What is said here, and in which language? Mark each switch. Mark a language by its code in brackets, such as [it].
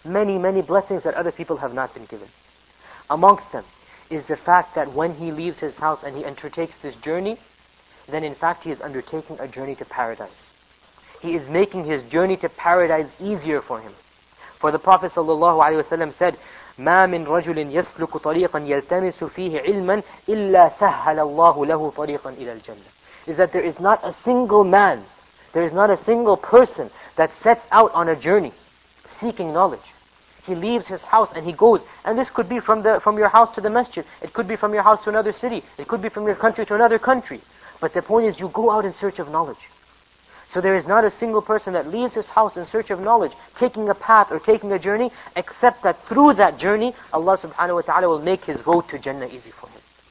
[en] Many, many blessings that other people have not been given. Amongst them is the fact that when he leaves his house and he undertakes this journey, then in fact he is undertaking a journey to paradise. He is making his journey to paradise easier for him. For the Prophet sallallahu alaihi wasallam said, [ar] ما من رجل يسلك طريقا يلتمس فيه علما إلا سهل الله له طريقا إلى الجنة. [en] Is that there is not a single man, there is not a single person that sets out on a journey seeking knowledge. He leaves his house and he goes. And this could be from your house to the masjid. It could be from your house to another city. It could be from your country to another country. But the point is, you go out in search of knowledge. So there is not a single person that leaves his house in search of knowledge, taking a path or taking a journey, except that through that journey, Allah subhanahu wa ta'ala will make his road to Jannah easy for him.